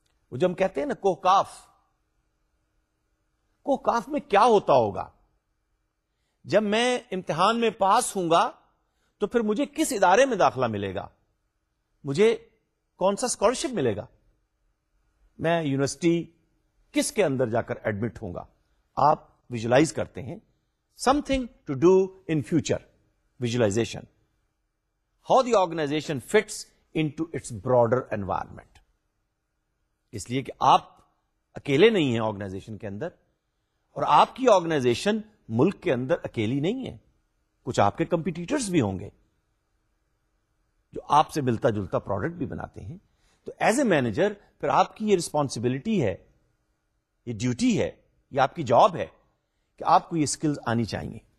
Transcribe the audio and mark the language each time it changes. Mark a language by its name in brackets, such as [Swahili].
[Urdu] وہ جو ہم کہتے ہیں نا کوہ کاف، کوہ کاف میں کیا ہوتا ہوگا، جب میں امتحان میں پاس ہوں گا تو پھر مجھے کس ادارے میں داخلہ ملے گا، مجھے کون سا اسکالرشپ ملے گا، میں یونیورسٹی کس کے اندر جا کر ایڈمٹ ہوں گا. آپ ویژولائز کرتے ہیں، [English] Something to do in future. Visualization, how the organization fits into its broader environment. [Urdu] اس لیے کہ آپ اکیلے نہیں ہیں آرگنائزیشن کے اندر، اور آپ کی آرگنائزیشن ملک کے اندر اکیلی نہیں ہے، کچھ آپ کے کمپیٹیٹرز بھی ہوں گے جو آپ سے ملتا جلتا پروڈکٹ بھی بناتے ہیں. تو [English] as a manager [Urdu] پھر آپ کی یہ رسپانسبلٹی ہے، یہ ڈیوٹی ہے، یہ آپ کی جاب ہے کہ آپ کو یہ اسکلز آنی چاہیے.